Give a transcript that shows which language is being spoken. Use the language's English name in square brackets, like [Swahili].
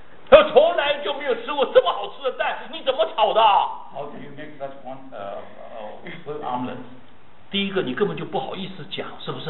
[Chinese] 他从来就没有吃过这么好吃的蛋，你怎么炒的？ [English] How do you make such one omelette? [Chinese] 第一个，你根本就不好意思讲，是不是？